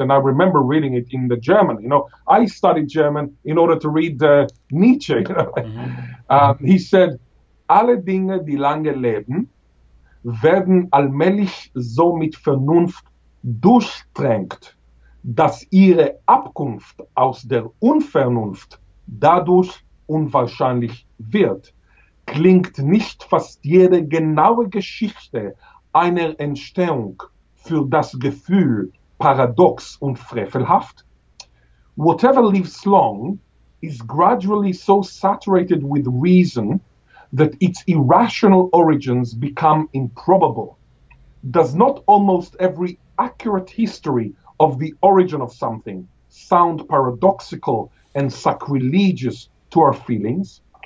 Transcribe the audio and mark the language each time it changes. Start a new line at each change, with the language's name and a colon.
English: And I remember reading it in the German. I studied German in order to read Nietzsche. He said,
German: "Alle Dinge, die lange leben, werden allmählich so mit Vernunft durchtränkt, dass ihre Abkunft aus der Unvernunft dadurch unwahrscheinlich wird. Klingt nicht fast jede genaue Geschichte einer Entstehung für das Gefühl paradox und frevelhaft?
English: Whatever lives long is gradually so saturated with reason that its irrational origins become improbable. Does not almost every accurate history of the origin of something sound paradoxical and sacrilegious to our feelings?